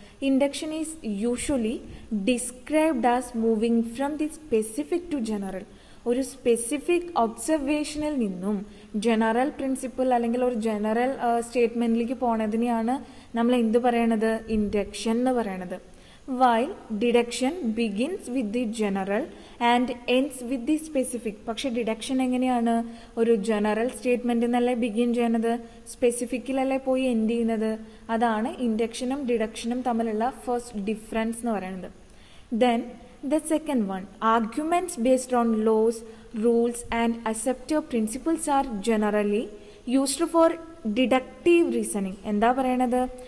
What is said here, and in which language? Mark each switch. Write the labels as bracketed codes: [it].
[en] Induction is usually described as moving from the specific to general. [ml] ഒരു specific ഒബ്സർവേഷനിൽ നിന്നും general principle അല്ലെങ്കിൽ ഒരു general സ്റ്റേറ്റ്മെൻറ്റിലേക്ക് പോണതിനെയാണ് നമ്മൾ എന്ത് പറയണത്? ഇൻഡക്ഷൻ എന്ന് പറയണത്. [en] While deduction begins with the general and ends with the specific. [ml] പക്ഷേ ഡിഡക്ഷൻ എങ്ങനെയാണ്? ഒരു ജനറൽ സ്റ്റേറ്റ്മെൻറ്റ് എന്നല്ലേ ബിഗിൻ ചെയ്യുന്നത്, സ്പെസിഫിക്കിലല്ലേ പോയി എൻഡ് ചെയ്യുന്നത്. അതാണ് ഇൻഡക്ഷനും ഡിഡക്ഷനും തമ്മിലുള്ള ഫസ്റ്റ് ഡിഫറൻസ് എന്ന് പറയുന്നത്. [en] Then the second one, arguments based on laws rules and accepted principles are generally used for deductive reasoning. [ml] എന്താ പറയണത്?